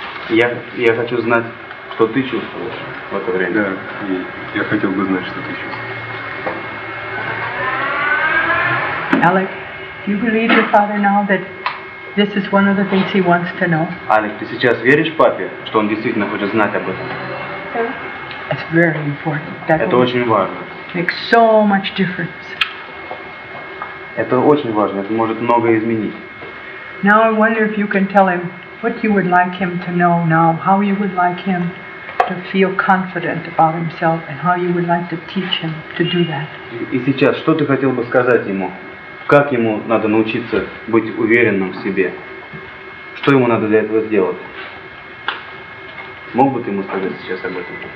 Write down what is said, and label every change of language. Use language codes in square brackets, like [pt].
[ru] Я хочу знать, что ты чувствуешь в это время. Да, я хотел бы знать, что ты чувствуешь. [en] Alec, do you believe your father now that this is one of the things he wants to know? [ru] Alec, ты сейчас веришь папе, что он действительно хочет знать об этом? [en] It's very important. That [ru] это очень важно. [en] Makes so much difference. [ru] Это очень важно. Это может многое изменить. [en] Now I wonder if you can tell him what you would like him to know now, how you would like him to feel confident about himself, and how you would like to teach him to do that. [ru] И сейчас, что ты хотел бы сказать ему? Как ему надо научиться быть уверенным в себе? Что ему надо для этого сделать? Мог бы ты ему сказать сейчас об этом?